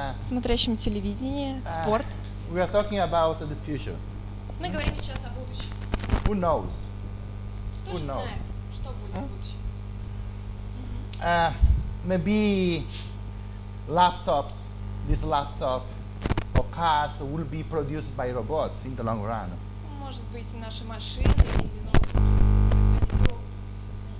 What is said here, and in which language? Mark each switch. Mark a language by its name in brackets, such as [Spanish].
[Russian] смотрящим телевидение, спорт. [English] We are talking about the future. [Russian] Мы говорим сейчас о будущем. [English] Who knows? [Russian] Кто [English] Who knows? [Russian] Знает, что будет в будущем? [English] Maybe laptops, this laptop or cars will be produced by robots in the long run. [Russian] Может быть, наши машины или ноутбуки будут производиться роботами.